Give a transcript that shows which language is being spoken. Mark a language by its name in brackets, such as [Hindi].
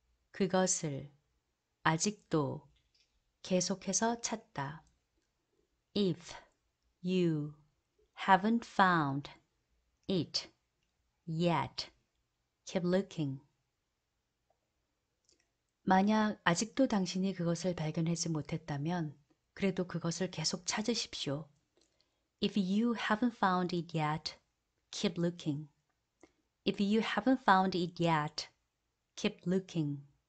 [Korean] 그것을 아직도 계속해서 찾다. [English] If you haven't found it yet, keep looking. [Korean] 만약 아직도 당신이 그것을 발견하지 못했다면, 그래도 그것을 계속 찾으십시오. [English] If you haven't found it yet, keep looking. If you haven't found it yet, keep looking.